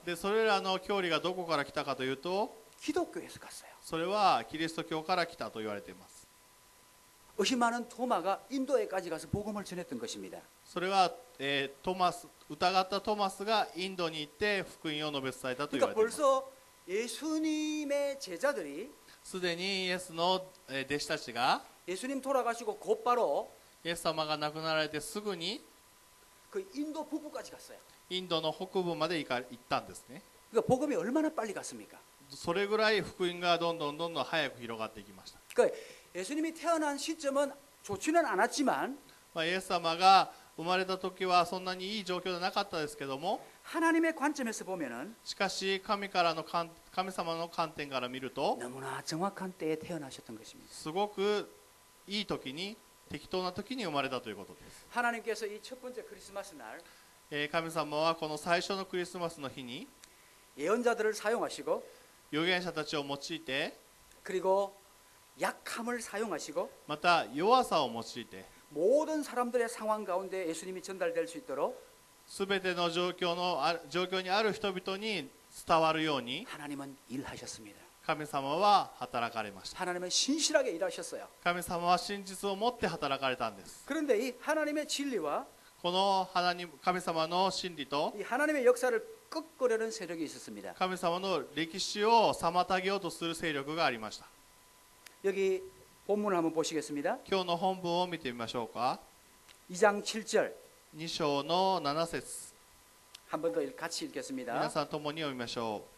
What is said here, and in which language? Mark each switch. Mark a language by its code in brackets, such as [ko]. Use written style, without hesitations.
[ja] で、それらの教理がどこから来たかというと、 [ko] 기독교에서갔어요。 [ja] それはキリスト教から来たと言われています。 [ko] 의심하는토마가인도에까지가서복음을전했던것입니다。 [ja] それは、トマス、疑ったトマスがインドに行って福音を述べ伝えたと言われています。 [ko] 그러니까벌써예수님의제자들이 [ja] すでにイエスの弟子たちが [ko] 예수님돌아가시고곧바로 [ja] イエス様が亡くなられてすぐに [ko] インド北部까지갔어요 [ja] インドの北部まで行ったんですね [ko] 복음이얼마나빨리갔습니까 [ja] それぐらい福音がどんどんどんどん早く広がっていきました [ko] 예수님이태어난시점은좋지는않았지만 [ja] イエス様が生まれた時はそんなにいい状況ではなかったですけども [ko] 하나님의관점에서보면은 [ja] しかし神からの神様の観点から見ると [ko] 너무나정확한때에태어나셨던것입니다 [ja] すごくいい時に適当な時に生まれたということです。 [ko] 하나님께서이첫번째크리스마스날 [ja] 神様はこの最初のクリスマスの日に [ko] 예언자들을사용하시고 [ja] 預言者たちを用いて [ko] 그리고약함을사용하시고 [ja] また弱さを用いて [ko] 모든사람들의상황가운데예수님이전달될수있도록 [ja] すべての状況にある人々に伝わるように [ko] 하나님은일하셨습니다 [ja] 神様は働かれました。 [ko] 하나님은신실하게일하셨어요。 [ja] 神様は真実を持って働かれたんです。 [ko] 그런데이하나님의진리와 [ja] この神様の真理と [ko] 이하나님의역사를꺾으려는세력이있었습니다。 [ja] 神様の歴史を妨げようとする勢力がありました。 [ko] 여기본문을한번보시겠습니다。 [ja] 今日の本文を見てみましょうか。 [ko] 2장7절。 [ja] 2章の7節。 [ko] 한번더같이읽겠습니다。 [ja] 皆さん共に読みましょう。